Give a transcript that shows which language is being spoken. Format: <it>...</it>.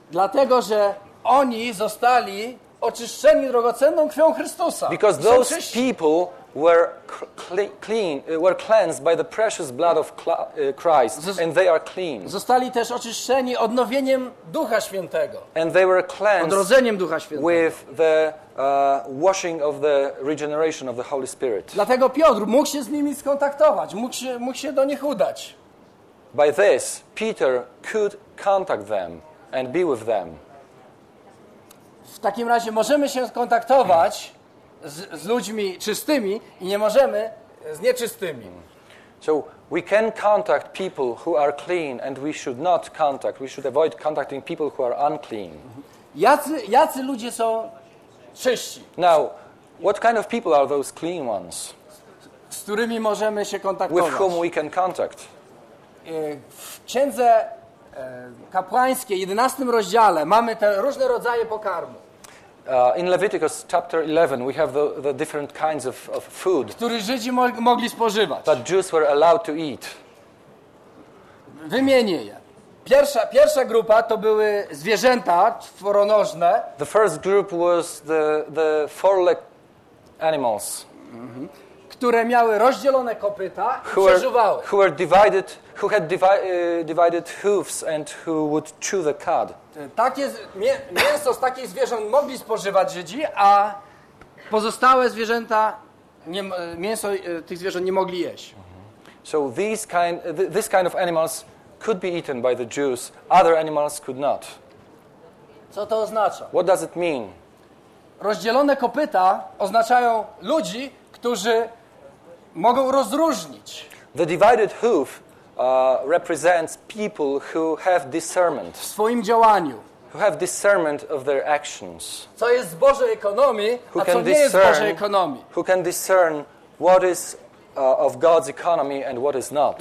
<pl>Dlatego, że oni zostali oczyszczeni drogocenną krwią Chrystusa.</pl> <en>Because those people were clean, were cleansed by the precious blood of Christ, and they are clean.</en> <pl>Zostali też oczyszczeni odnowieniem Ducha Świętego.</pl> <en>And they were cleansed,</en> <pl>odrodzeniem Ducha Świętego.</pl> <en>With the washing of the regeneration of the Holy Spirit.</en> <pl>Dlatego Piotr mógł się z nimi skontaktować, mógł się do nich udać.</pl> <en>By this, Peter could contact them and be with them.</en> <pl>W takim razie możemy się skontaktować z ludźmi czystymi i nie możemy z nieczystymi.</pl> <en>So we can contact people who are clean and we should not contact, we should avoid contacting people who are unclean.</en> <pl>Jacy ludzie są czyści?</pl> <en>Now, what kind of people are those clean ones?</en> <pl>Z którymi możemy się kontaktować?</pl> <en>With whom we can contact.</en> <pl>W księdze kapłańskiej, 11 rozdziale, mamy te różne rodzaje pokarmu.</pl> <en>In Leviticus chapter 11 we have the different kinds of food.</en> <pl>Które Żydzi mogli spożywać.</pl> <en>That Jews were allowed to eat.</en> <pl>Wymienię je. Pierwsza grupa to były zwierzęta czworonożne.</pl> <en>The first group was the four-legged animals.</en> <pl>Które miały rozdzielone kopyta i przeżuwały.</pl> <en>Who were divided, who had divided hooves and who would chew the cud.</en> <pl>Takie mięso z takich zwierząt mogli spożywać Żydzi, a pozostałe zwierzęta, mięso tych zwierząt nie mogli jeść.</pl> <en>So this kind of animals could be eaten by the Jews, other animals could not.</en> <pl>Co to oznacza?</pl> <en>What does it mean?</en> <pl>Rozdzielone kopyta oznaczają ludzi, którzy mogą rozróżnić.</pl> <en>The divided hoof represents people who have discernment.</en> <pl>W swoim działaniu.</pl> <en>Who have discernment of their actions.</en> <pl>Co jest z Bożej ekonomii, a co nie jest z Bożej ekonomii.</pl> <en>Who can discern what is of God's economy and what is not.</en>